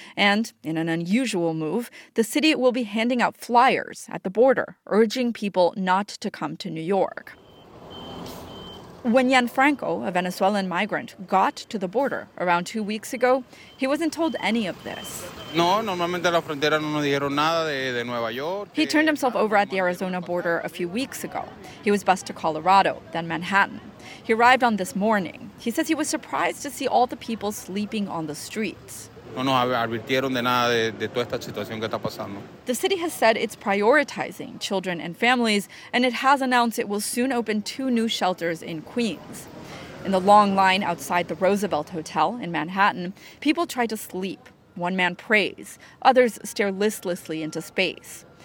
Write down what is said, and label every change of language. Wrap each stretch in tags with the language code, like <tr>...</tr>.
<en>And in an unusual move, the city will be handing out flyers at the border, urging people not to come to New York. When Yan Franco, a Venezuelan migrant, got to the border around 2 weeks ago, he wasn't told any of this.</en> <es>No, normalmente la frontera no nos dijeron nada de Nueva York.</es> <en>He turned himself over at the Arizona border a few weeks ago. He was bused to Colorado, then Manhattan. He arrived on this morning. He says he was surprised to see all the people sleeping on the streets.</en> <es>No nos advirtieron de nada de toda esta situación que está pasando.</es> <en>The city has said it's prioritizing children and families, and it has announced it will soon open two new shelters in Queens. In the long line outside the Roosevelt Hotel in Manhattan, people try to sleep. One man prays. Others stare listlessly into space.</en>